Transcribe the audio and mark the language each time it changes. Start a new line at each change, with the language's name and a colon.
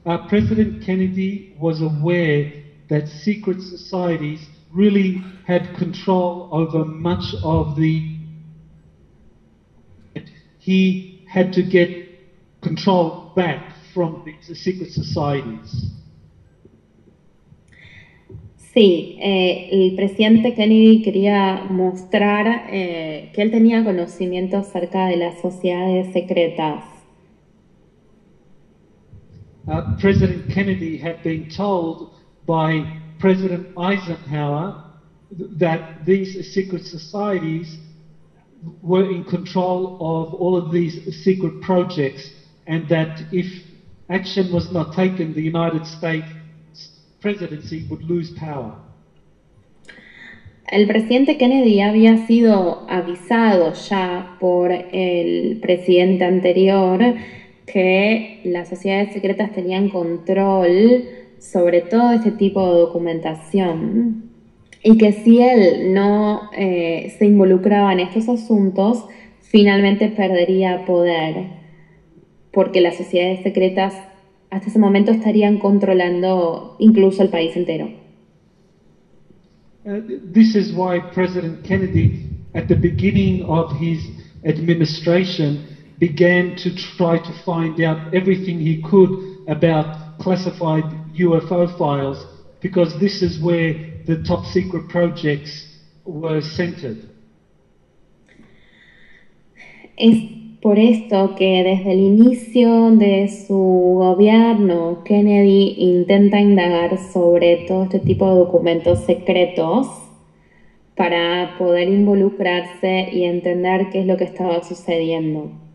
English: President Kennedy was aware that secret societies really had control over much of the. He had to get control back from these secret societies.
Spanish: Sí, el presidente Kennedy quería mostrar que él tenía conocimiento acerca de las sociedades secretas.
English: President Kennedy had been told by President Eisenhower that these secret societies were in control of all of these secret projects, and that if action was not taken, the United States presidency would lose power.
Spanish: El presidente Kennedy había sido avisado ya por el presidente anterior que las sociedades secretas tenían control sobre todo este tipo de documentación y que si él no se involucraba en estos asuntos, finalmente perdería poder, porque las sociedades secretas hasta ese momento estarían controlando incluso el país entero.
English: This is why President Kennedy, at the beginning of his administration, began to try to find out everything he could about classified UFO files, because this is where the top secret projects were centered.
Spanish: Es por esto que desde el inicio de su gobierno, Kennedy intenta indagar sobre todo este tipo de documentos secretos para poder involucrarse y entender qué es lo que estaba sucediendo.